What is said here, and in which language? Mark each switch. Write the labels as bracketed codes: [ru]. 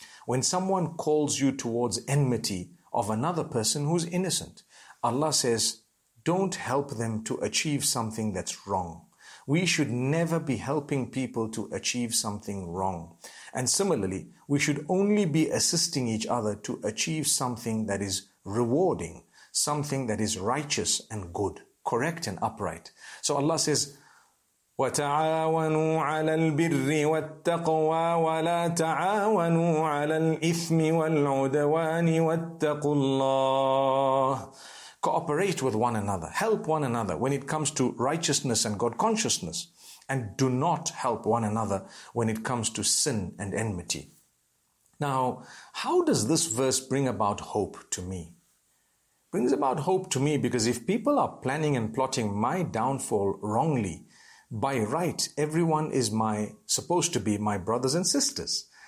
[en] When someone calls you towards enmity of another person who's innocent, Allah says, don't help them to achieve something that's wrong. We should never be helping people to achieve something wrong. And similarly, we should only be assisting each other to achieve something that is rewarding, something that is righteous and good. Correct and upright. So Allah says, [ar] وَتَعَاوَنُوا عَلَى الْبِرِّ وَالتَّقْوَى وَلَا تَعَاوَنُوا عَلَى الْإِثْمِ وَالْعُدَوَانِ وَاتَّقُوا اللَّهِ. [en] Cooperate with one another. Help one another when it comes to righteousness and God consciousness. And do not help one another when it comes to sin and enmity. Now, how does this verse bring about hope to me? Brings about hope to me because if people are planning and plotting my downfall wrongly, by right, everyone is supposed to be my brothers and sisters.